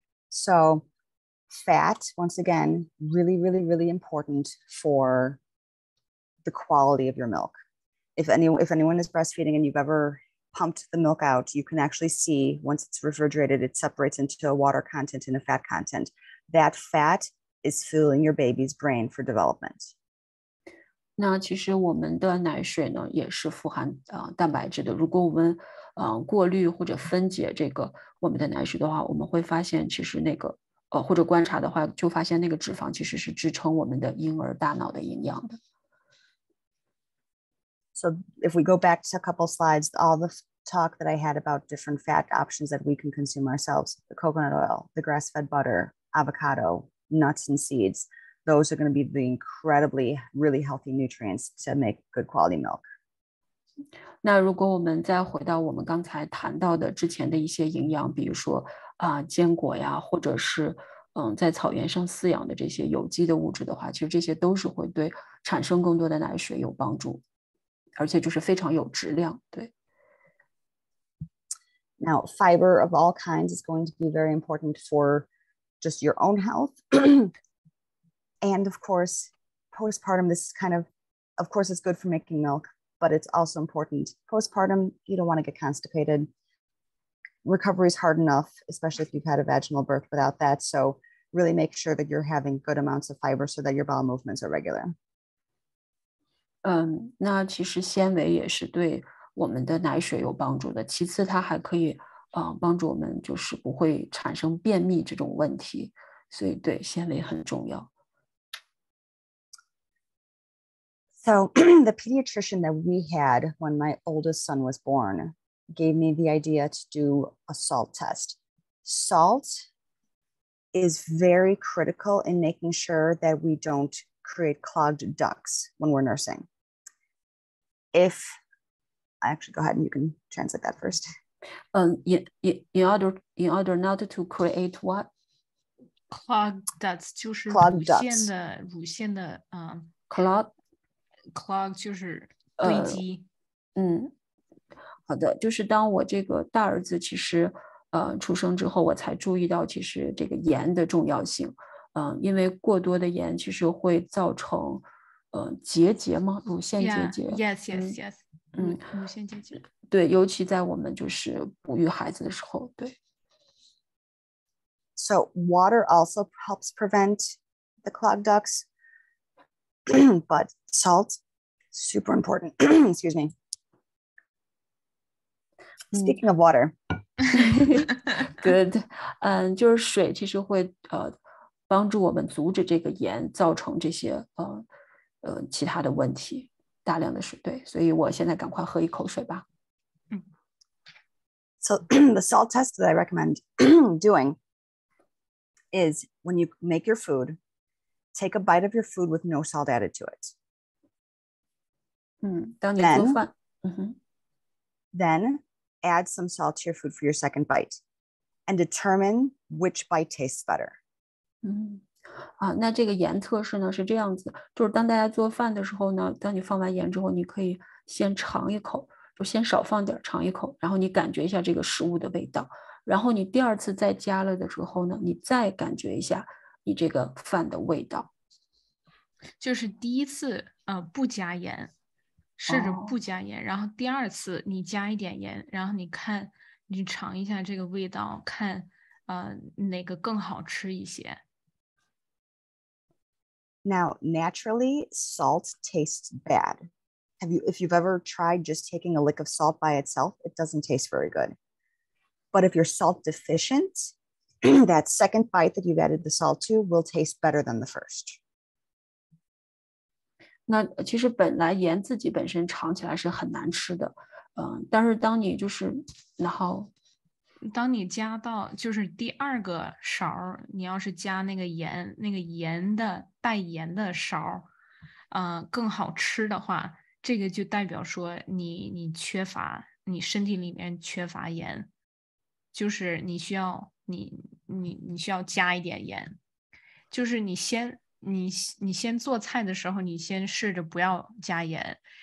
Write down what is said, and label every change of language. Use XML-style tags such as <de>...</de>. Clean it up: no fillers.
<en>So fat, once again, really, really, really important for the quality of your milk. If anyone is breastfeeding and you've ever pumped the milk out, you can actually see once it's refrigerated, it separates into a water content and a fat content. That fat is fueling your baby's brain for development.</en> <zh>那其实我们的奶水呢，也是富含蛋白质的。如果我们过滤或者分解这个我们的奶水的话，我们会发现其实那个或者观察的话，就发现那个脂肪其实是支撑我们的婴儿大脑的营养的。</zh> <en>So if we go back to a couple slides, all the talk that I had about different fat options that we can consume ourselves, the coconut oil, the grass-fed butter, avocado, nuts and seeds, those are going to be the incredibly really healthy nutrients to make good quality milk.</en> <zh>那如果我们再回到我们刚才谈到的之前的一些营养，比如说坚果呀，或者是在草原上饲养的这些有机的物质的话，其实这些都是会对产生更多的奶水有帮助，而且就是非常有质量。对。</zh> <en>Now, fiber of all kinds is going to be very important for just your own health. And of course, postpartum, this is kind of course, it's good for making milk, but it's also important. Postpartum, you don't want to get constipated. Recovery is hard enough, especially if you've had a vaginal birth without that. So really make sure that you're having good amounts of fiber so that your bowel movements are regular.</en> <zh>那其实纤维也是对我们的奶水有帮助的。其次它还可以帮助我们就是不会产生便秘这种问题。所以对，纤维很重要。</zh> <en>So the pediatrician that we had when my oldest son was born gave me the idea to do a salt test. Salt is very critical in making sure that we don't create clogged ducts when we're nursing. If, actually go ahead and you can translate that first. In order not to create what? Clogged ducts.</en> <zh>就是</zh> <en>clogged ducts.</en> <zh>乳腺的</zh> <en>Clog</en> <zh>就是堆积。好的，就是当我这个大儿子其实出生之后，我才注意到其实这个盐的重要性。因为过多的盐其实会造成结节吗？乳腺结节。</zh> <en>Yeah, yes, yes, yes.</en> <zh>乳腺结节。对，尤其在我们就是哺育孩子的时候，对。</zh> <en>So water also helps prevent the clogged ducts, but salt, super important. Excuse me. Speaking of water, good.</en> <zh>就是水其实会帮助我们阻止这个盐造成这些其他的问题。大量的水，对，所以我现在赶快喝一口水吧。</zh> <en>So the salt test that I recommend doing is when you make your food, take a bite of your food with no salt added to it.</en> <zh>当你做饭。</zh> <en>Then. Add some salt to your food for your second bite and determine which bite tastes better.</en> <zh>那这个盐测试呢是这样子，就是当大家做饭的时候呢，当你放完盐之后，你可以先尝一口，就先少放点尝一口，然后你感觉一下这个食物的味道，然后你第二次再加了的时候呢，你再感觉一下你这个饭的味道。就是第一次不加盐，试着不加盐，然后第二次你加一点盐，然后你看你尝一下这个味道，看哪个更好吃一些。</zh> <en>Now, naturally, salt tastes bad. If you've ever tried just taking a lick of salt by itself, it doesn't taste very good. But if you're salt deficient, that second bite that you've added the salt to will taste better than the first.</en> <zh>那其实本来盐自己本身尝起来是很难吃的，但是当你就是，然后当你加到就是第二个勺，你要是加那个盐，那个盐的带盐的勺，更好吃的话，这个就代表说你缺乏，你身体里面缺乏盐，就是你需要你需要加一点盐，就是你先做菜的时候，你先试着不要加盐。</zh>